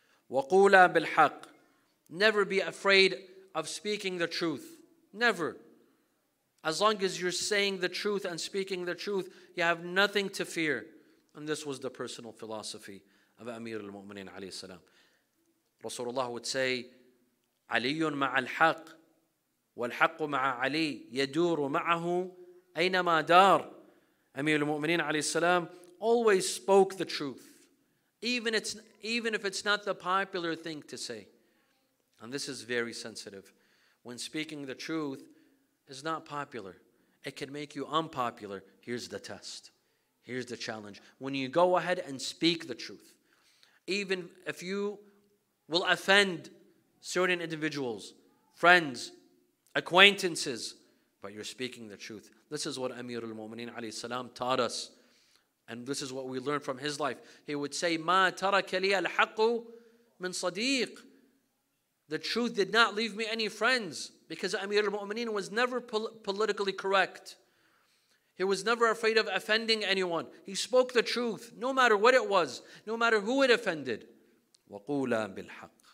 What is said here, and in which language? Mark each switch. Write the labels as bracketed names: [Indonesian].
[Arabic] وَقُولَا بِالْحَقِّ, [English] never be afraid of speaking the truth. Never. As long as you're saying the truth and speaking the truth, you have nothing to fear. And this was the personal philosophy of Amir al-Mu'mineen alayhi salam. Rasulullah would say, [Arabic] عَلِيٌّ مَعَ الْحَقِّ وَالْحَقُّ مَعَ عَلِيٍّ يَدُورُ مَعَهُ أَيْنَمَا دَارُ. [English] Amir al-Mu'mineen alayhi salam always spoke the truth, even if it's not the popular thing to say. And this is very sensitive. When speaking the truth is not popular, it can make you unpopular. Here's the test. Here's the challenge. When you go ahead and speak the truth, even if you will offend certain individuals, friends, acquaintances, but you're speaking the truth. This is what Amir al-Mu'mineen alayhi salam taught us. And this is what we learned from his life. He would say, [Arabic] مَا تَرَكَ لِيَ الْحَقُّ مِنْ صَدِيقٍ. [English] The truth did not leave me any friends, because Amir al-Mu'mineen was never politically correct. He was never afraid of offending anyone. He spoke the truth, no matter what it was, no matter who it offended. [Arabic] وَقُولَا بِالْحَقِّ.